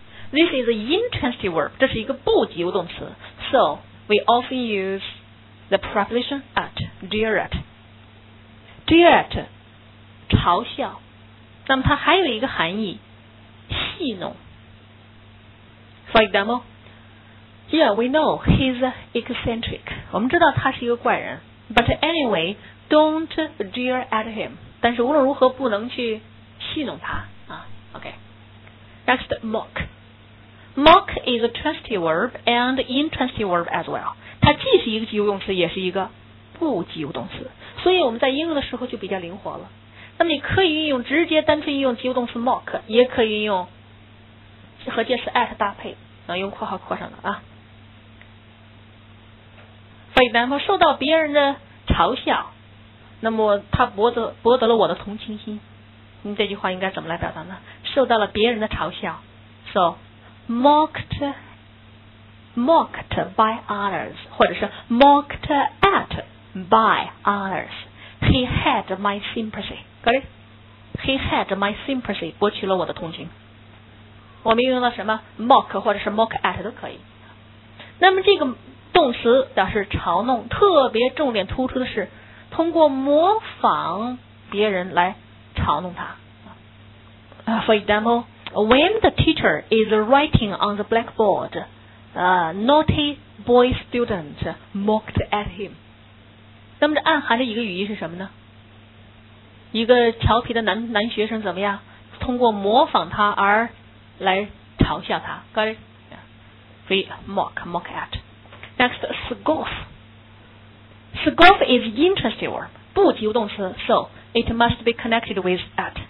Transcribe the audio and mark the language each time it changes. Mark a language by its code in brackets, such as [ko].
[en] This is an intransitive verb [zh] 这是一个不及物动词 [en] So We often use The preposition at Dear at Dear at [zh] 嘲笑那么它还有一个含义戏弄 [en] For example Yeah we know He's eccentric [zh] 我们知道他是一个怪人 [en] But anywayDon't jeer at him. [zh] 但是无论如何不能去戏弄他。 [en] OK. Next, mock. Mock is a transitive verb and intransitive verb as well. [zh] 它既是一个及物动词，也是一个不及物动词。所以我们在应用的时候就比较灵活了。那么你可以运用直接单纯运用及物动词 mock， 也可以运用和介词 at 搭配，然后用括号括上的啊。 [en] For example， [zh] 受到别人的嘲笑，那么他博得了我的同情心。你这句话应该怎么来表达呢？受到了别人的嘲笑 ， [en] so mocked by others， [zh] 或者是 [en] mocked at by others。 He had my sympathy， got it？ He had my sympathy， [zh] 博取了我的同情。我们用了什么 mock 或者是 mock at 都可以。那么这个动词表示嘲弄，特别重点突出的是通过模仿别人来嘲弄他。 [en] For example, when the teacher is writing on the blackboard, a naughty boy student mocked at him. [zh] 那么这暗含的一个语义是什么呢？一个调皮的男学生怎么样？通过模仿他而来嘲笑他。 [en] Got it? We mock at. Next, scoff. Scoff is intransitive verb, [zh] 不及物动词， [en] so it must be connected with at.